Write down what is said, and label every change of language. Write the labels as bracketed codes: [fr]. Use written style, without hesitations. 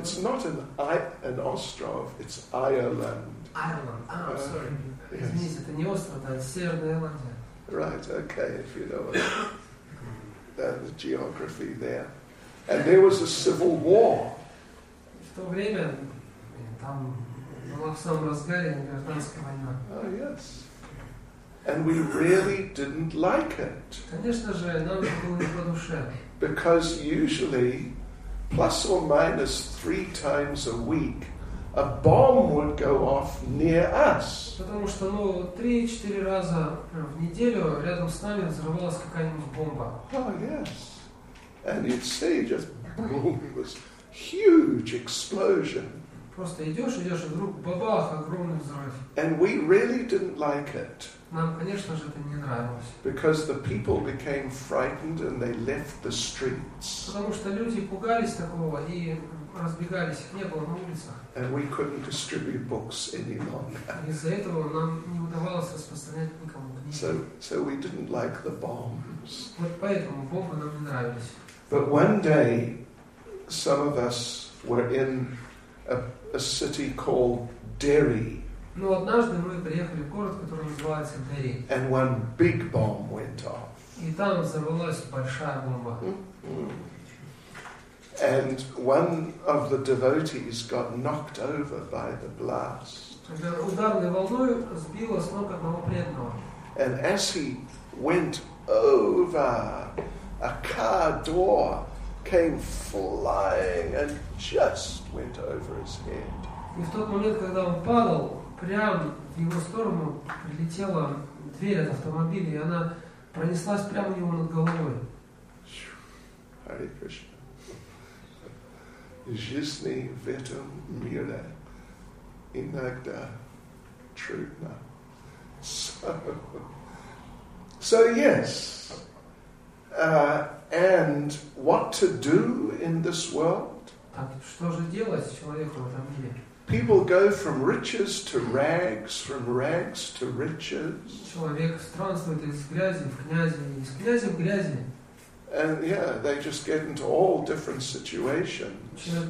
[en] It's not an ostrov, it's Ireland. Ireland. Ah, sorry. [ru] Извините, это не остров, это Северная Ирландия. [en] Right, okay, if you know what. The geography there, and there was a civil war. [ru] В то время там была в самом разгаре гражданская война. [en] Oh yes, and we really didn't like it. [ru] Конечно же, нам было не по душе. [en] Because usually, plus or minus 3 times a week, a bomb would go off near us. [ru] Потому что, ну, 3-4 раза в неделю рядом с нами взрывалась какая-нибудь бомба. [en] Oh, yes. And you'd see just boom, this huge explosion. [ru] Просто идешь, и вдруг бабах, огромный взрыв. [en] And we really didn't like it. [ru] Нам, конечно же, это не нравилось. [en] Because the people became frightened and they left the streets. [ru] Потому что люди пугались такого и разбегались, их не было на улицах. [en] And we couldn't distribute books any longer. [ru] Из-за этого нам не удавалось распространять никому книги. [en] So we didn't like the bombs. [ru] Вот поэтому бомбы нам не нравились. [en] But one day, some of us were in a city called Derry. [ru] Но однажды мы приехали в город, который называется Дерри. [en] And one big bomb went off. [ru] И там взорвалась большая бомба. [en] And one of the devotees got knocked over by the blast. [ru] Ударной волной сбило с ног одного преданного. [en] And as he went over, a car door came flying and just went over his head. [ru] И в тот момент, когда он падал, прямо в его сторону прилетела дверь от автомобиля, и она пронеслась прямо у него над головой. [en] Hare Krishna. [ru] Жизни в этом мире иногда трудно. [en] So yes, and what to do in this world? [ru] Так что же делать человеку в этом мире? [en] People go from riches to rags, from rags to riches. [ru] Человек странствует из грязи в князи, из грязи в грязи. [en] And yeah, they just get into all different situations.